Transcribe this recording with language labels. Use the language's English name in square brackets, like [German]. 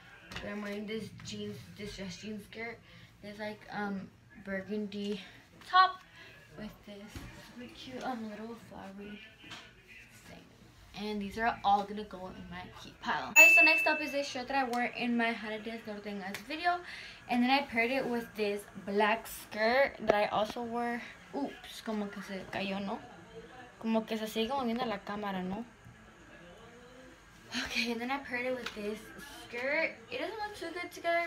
[English] But I'm wearing this jeans, this dress jeans skirt. There's like burgundy top with this super cute little flowery thing. And these are all gonna go in my keep pile. Alright, so next up is this shirt that I wore in my How to Dance Norte Inglés video. And then I paired it with this black skirt that I also wore. [Spanish] Oops, como que se cayó, no? Como que se sigue moviendo la cámara, no? [English] Okay, and then I paired it with this skirt. It doesn't look too good together.